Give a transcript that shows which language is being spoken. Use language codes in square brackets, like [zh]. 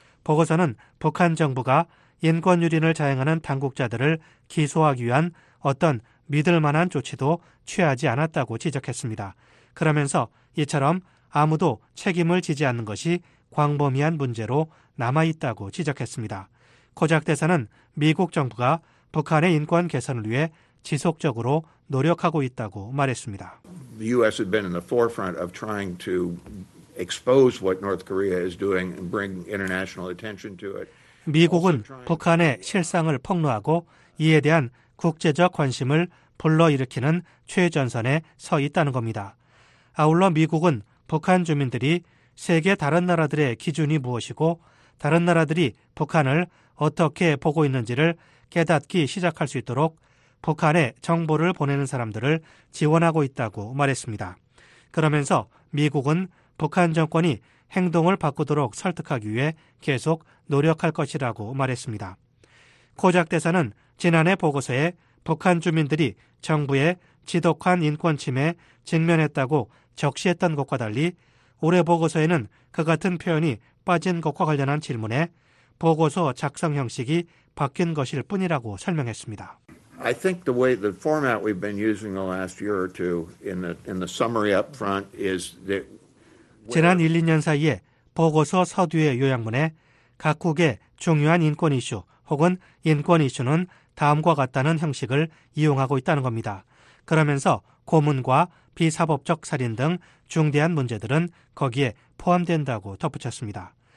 [ko] 보고서는 북한 정부가 인권유린을 자행하는 당국자들을 기소하기 위한 어떤 믿을 만한 조치도 취하지 않았다고 지적했습니다. 그러면서 이처럼 아무도 책임을 지지 않는 것이 광범위한 문제로 남아있다고 지적했습니다. 코작 대사는 미국 정부가 북한의 인권 개선을 위해 지속적으로 노력하고 있다고 말했습니다. [en] the U.S. has been in the forefront of trying to expose what North Korea is doing and bring international attention to it. [ko] 미국은 북한의 실상을 폭로하고 이에 대한 국제적 관심을 불러일으키는 최전선에 서 있다는 겁니다. 아울러 미국은 북한 주민들이 세계 다른 나라들의 기준이 무엇이고 다른 나라들이 북한을 어떻게 보고 있는지를 깨닫기 시작할 수 있도록 북한에 정보를 보내는 사람들을 지원하고 있다고 말했습니다. 그러면서 미국은 북한 정권이 행동을 바꾸도록 설득하기 위해 계속 노력할 것이라고 말했습니다. 코작 대사는 지난해 보고서에 북한 주민들이 정부의 지독한 인권 침해 직면했다고 적시했던 것과 달리 올해 보고서에는 그 같은 표현이 빠진 것과 관련한 질문에 보고서 작성 형식이 바뀐 것일 뿐이라고 설명했습니다. [en] I think the way the format we've been using the last year or two in the summary up front is that [ko] 지난 1, 2년 사이에 보고서 서두의 요약문에 각국의 중요한 인권 이슈 혹은 인권 이슈는 다음과 같다는 형식을 이용하고 있다는 겁니다. 그러면서 고문과 비사법적 살인 등 중대한 문제들은 거기에 포함된다고 덧붙였습니다.